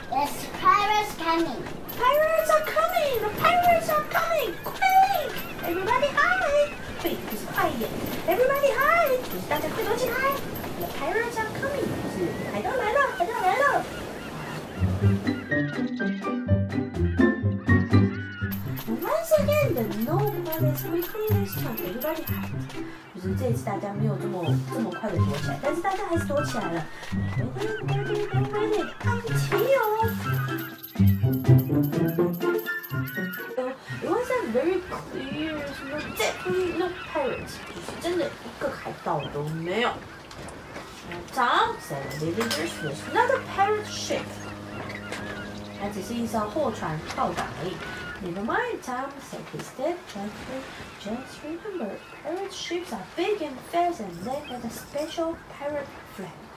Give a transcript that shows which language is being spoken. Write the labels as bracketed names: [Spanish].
[English] Yes, pirates coming. Pirates are coming! The pirates are coming! Quick! Everybody hide! Quick, [Chinese] 就是快一点。 [English] Everybody hide! [Chinese] 就是大家快躲起来。 [English] The pirates are coming! [Chinese] 就是海盗来了，海盗来了。 [English] Once again, the nobody is waiting this time. Everybody hide! [Chinese] 就是这次大家没有这么快的躲起来，但是大家还是躲起来了。 [English] Tom said the villagers was not a pirate ship. [Chinese] 它只是一艘货船靠港而已。 [English] Never mind, Tom said his dad gently. Just remember, pirate ships are big and fast, and they have a special pirate flag.